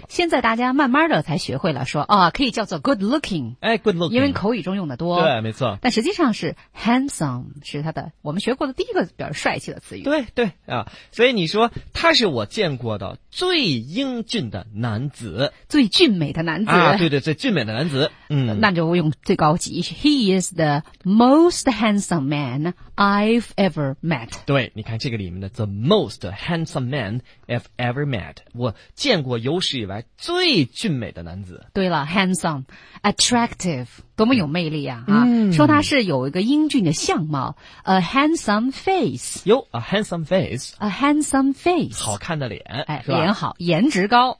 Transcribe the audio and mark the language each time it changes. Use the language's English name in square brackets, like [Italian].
[Chinese] 现在大家慢慢的才学会了说啊，可以叫做 good looking， [English] 哎 ，good looking， [Chinese] 因为口语中用的多，对，没错。但实际上是 handsome 是他的我们学过的第一个比较帅气的词语。对对啊，所以你说他是我见过的最英俊的男子，最俊美的男子啊，对对，最俊美的男子，那就用最高级 he。 [English] Is the most handsome man I've ever met. 对， [Chinese] 你看这个里面的 [English] the most handsome man I've ever met. [Chinese] 我见过有史以来最俊美的男子。对了 ，handsome, attractive, 多么有魅力啊！嗯、啊，说他是有一个英俊的相貌 ， [English] a handsome face. 哟 ，a handsome face. A handsome face. [Chinese] 好看的脸，哎，脸好，颜值高。